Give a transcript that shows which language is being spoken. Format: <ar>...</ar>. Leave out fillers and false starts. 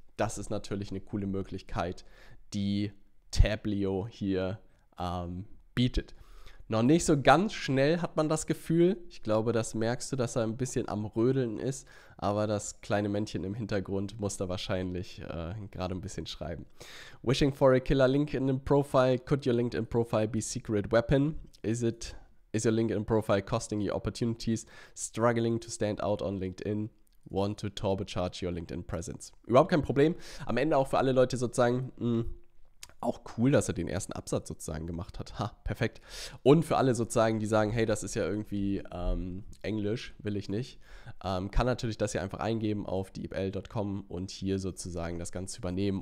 <de>Das ist natürlich eine coole Möglichkeit, die Tableau hier bietet. Noch nicht so ganz schnell hat man das Gefühl. Ich glaube, das merkst du, dass er ein bisschen am Rödeln ist. Aber das kleine Männchen im Hintergrund muss da wahrscheinlich gerade ein bisschen schreiben.</de> <en>Wishing for a killer LinkedIn profile. Could your LinkedIn profile be secret weapon? Is your LinkedIn profile costing you opportunities? Struggling to stand out on LinkedIn? Want to turbocharge your LinkedIn presence?</en> <de>Überhaupt kein Problem. Am Ende auch für alle Leute sozusagen auch cool, dass er den ersten Absatz sozusagen gemacht hat. Ha, perfekt. Und für alle sozusagen, die sagen, hey, das ist ja irgendwie Englisch, will ich nicht, kann natürlich das hier einfach eingeben auf deepl.com und hier sozusagen das Ganze übernehmen.</de>